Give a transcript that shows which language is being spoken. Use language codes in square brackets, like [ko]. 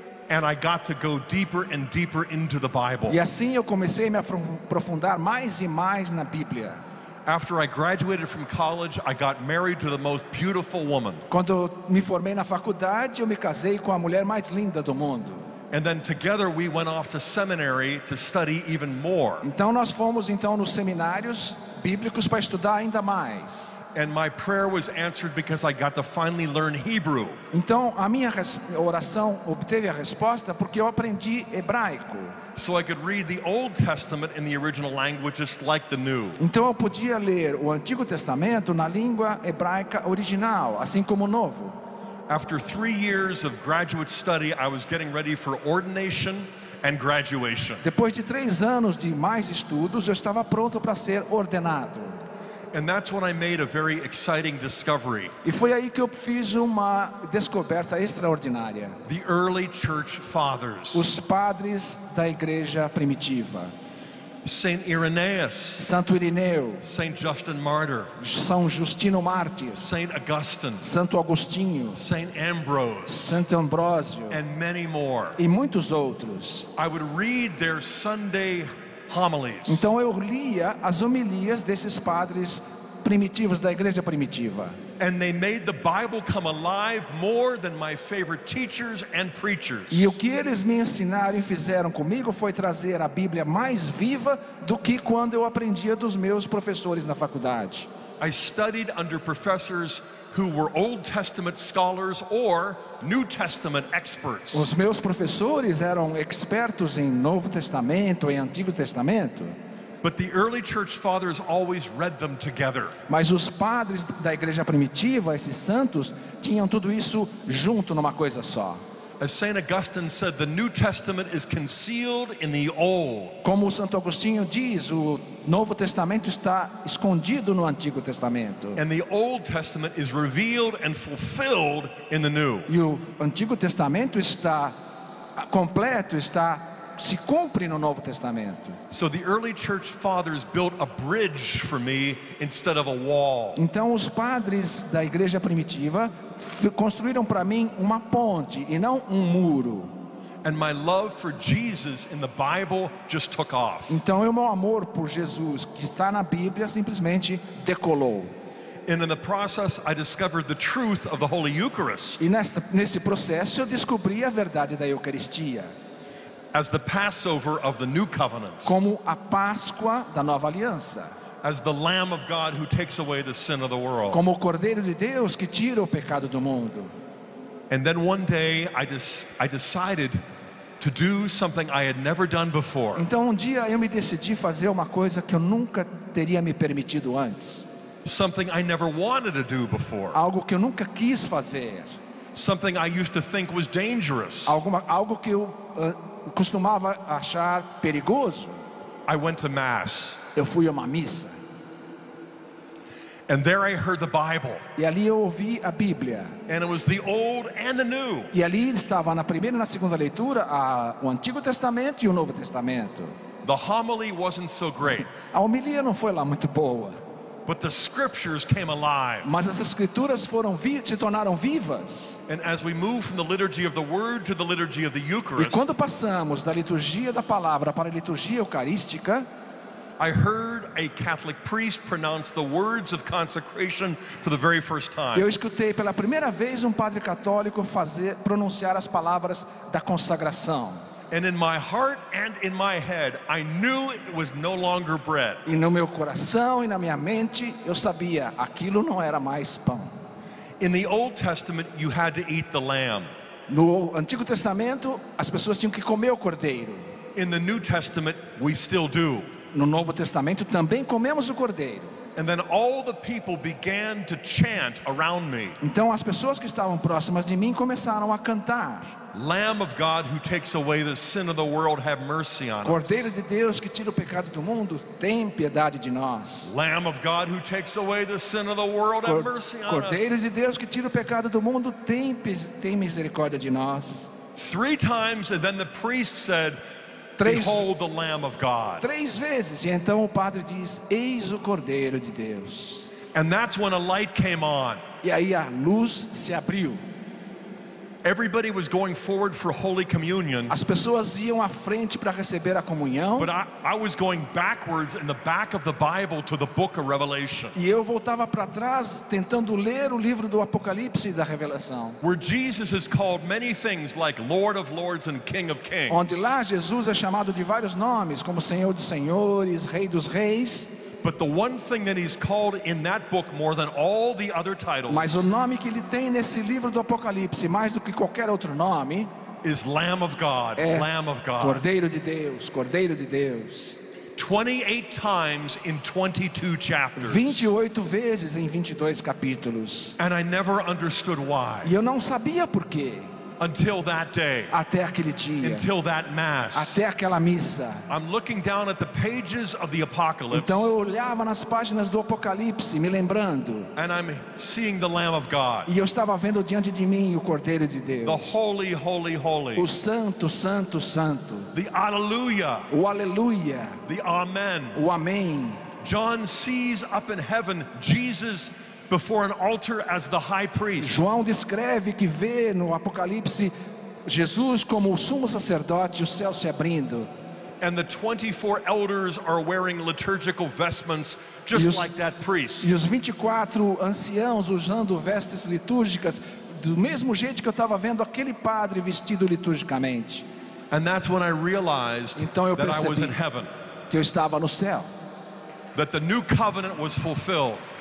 [en] And I got to go deeper and deeper into the Bible. [pt] E assim eu comecei a me aprofundar mais e mais na Bíblia. [en] After I graduated from college, I got married to the most beautiful woman. [pt] Quando me formei na faculdade, eu me casei com a mulher mais linda do mundo. [en] And then together we went off to seminary to study even more. [pt] Então nós fomos então nos seminários bíblicos para estudar ainda mais. [en] and my prayer was answered because I got to finally learn Hebrew. [pt] Então a minha oração obteve a resposta porque eu aprendi hebraico. [en] So I could read the Old Testament in the original language, just like the New. [pt] Então eu podia ler o Antigo Testamento na língua hebraica original, assim como o Novo. [en] After 3 years of graduate study, I was getting ready for ordination and graduation. [pt] Depois de 3 anos de mais estudos, eu estava pronto para ser ordenado. [en] And that's when I made a very exciting discovery. [pt] E foi aí que eu fiz uma descoberta extraordinária. [en] The early church fathers. [pt] Os padres da igreja primitiva. [en] Saint Irenaeus. [pt] Santo Irineu. [en] Saint Justin Martyr. [pt] São Justino Mártir. [en] Saint Augustine. [pt] Santo Agostinho. [en] Saint Ambrose. [pt] Santo Ambrósio. [en] And many more. [pt] E muitos outros. [en] I would read their Sunday homilies. [pt] Então eu lia as homilias desses padres primitivos da igreja primitiva. [en] And they made the Bible come alive more than my favorite teachers and preachers. [pt] E o que eles me ensinaram e fizeram comigo foi trazer a Bíblia mais viva do que quando eu aprendia dos meus professores na faculdade. [en] I studied under professors who were Old Testament scholars or New Testament experts. [pt] Os meus professores eram expertos em Novo Testamento e Antigo Testamento. [en] But the early church fathers always read them together. [pt] Mas os padres da igreja primitiva, esses santos, tinham tudo isso junto numa coisa só. [en] As Saint Augustine said, the New Testament is concealed in the Old. [pt] Como o Santo Agostinho diz, o Novo Testamento está escondido no Antigo Testamento. [en] And the Old Testament is revealed and fulfilled in the New. [pt] E o Antigo Testamento está completo, está se cumpre no Novo Testamento. [en] So the early church fathers built a bridge for me instead of a wall. [pt] Então os padres da igreja primitiva construíram para mim uma ponte e não um muro. [en] And my love for Jesus in the Bible just took off. [pt] Então o meu amor por Jesus que está na Bíblia simplesmente decolou. [en] And in the process I discovered the truth of the Holy Eucharist. [pt] E nesse processo eu descobri a verdade da Eucaristia. [en] As the Passover of the New Covenant. [pt] Como a Páscoa da Nova Aliança. [en] As the Lamb of God who takes away the sin of the world. [pt] Como o Cordeiro de Deus que tira o pecado do mundo. [en] And then one day I decided to do something I had never done before. [pt] Então um dia eu me decidi fazer uma coisa que eu nunca teria me permitido antes. [en] Something I never wanted to do before. [pt] Algo que eu nunca quis fazer. [en] Something I used to think was dangerous. [pt] Algo que eu costumava achar perigoso. [en] I went to mass. [pt] Eu fui a uma missa. [en] And there I heard the Bible. [pt] E ali eu ouvi a Bíblia. [en] And it was the old and the new. [pt] E ali estava na primeira e na segunda leitura o Antigo Testamento e o Novo Testamento. [en] The homily wasn't so great. [pt] A homilia não foi lá muito boa. [en] But the scriptures came alive. [pt] Mas as escrituras se tornaram vivas. [en] And as we move from the liturgy of the word to the liturgy of the Eucharist. [pt] E quando passamos da liturgia da palavra para a liturgia eucarística, [en] I heard a Catholic priest pronounce the words of consecration for the very first time. [pt] Eu escutei pela primeira vez padre católico pronunciar as palavras da consagração. [en] And in my heart and in my head, I knew it was no longer bread. [pt] E no meu coração e na minha mente, eu sabia, aquilo não era mais pão. [en] In the Old Testament, you had to eat the lamb. [pt] No Antigo Testamento, as pessoas tinham que comer o cordeiro. [en] In the New Testament, we still do. [pt] No Novo Testamento, também comemos o cordeiro. [en] And then all the people began to chant around me. [pt] Então as pessoas que estavam próximas de mim começaram a cantar. [en] Lamb of God who takes away the sin of the world, have mercy on us. [pt] Cordeiro de Deus que tira o pecado do mundo, tem piedade de nós. [en] Lamb of God who takes away the sin of the world, have mercy on us. [pt] Cordeiro de Deus que tira o pecado do mundo, tem misericórdia de nós. [en] 3 times and then the priest said, behold the Lamb of God. [pt] 3 vezes e então o padre diz, eis o Cordeiro de Deus. [en] And that's when a light came on. [pt] E aí a luz se abriu. [en] Everybody was going forward for Holy Communion. [pt] As pessoas iam à frente para receber a comunhão. [en] But I was going backwards in the back of the Bible to the book of Revelation. [pt] E eu voltava para trás tentando ler o livro do Apocalipse e da Revelação. [en] Where Jesus is called many things like Lord of Lords and King of Kings. [pt] Onde lá Jesus é chamado de vários nomes, como Senhor dos Senhores, Rei dos Reis. [en] But the one thing that he's called in that book more than all the other titles. [pt] Mas o nome que ele tem nesse livro do Apocalipse, mais do que qualquer outro nome, [en] is Lamb of God, Lamb of God. [pt] Cordeiro de Deus, Cordeiro de Deus. [en] 28 times in 22 chapters. [pt] 28 vezes em 22 capítulos. [en] And I never understood why. [pt] E eu não sabia por quê. [en] Until that day. [pt] Até aquele dia. [en] Until that mass. [pt] Até aquela missa. [en] I'm looking down at the pages of the Apocalypse. [pt] Então eu olhava nas páginas do Apocalipse, me lembrando. [en] And I'm seeing the Lamb of God. [pt] E eu estava vendo diante de mim o Cordeiro de Deus. [en] The holy, holy, holy. [pt] O santo, santo, santo. [en] The hallelujah. [pt] O aleluia. [en] The amen. [pt] O amém. [en] John sees up in heaven Jesus before an altar as the high priest. [pt] João descreve que vê no Apocalipse Jesus como o sumo sacerdote, o céu se abrindo. [en] And the 24 elders are wearing liturgical vestments just like that priest. [pt] E os 24 anciãos usando vestes litúrgicas do mesmo jeito que eu estava vendo aquele padre vestido liturgicamente. [en] And that's when I realized [pt] então eu percebi [en] that I was in heaven. [pt] Que eu estava no céu. [en] That the new covenant was fulfilled.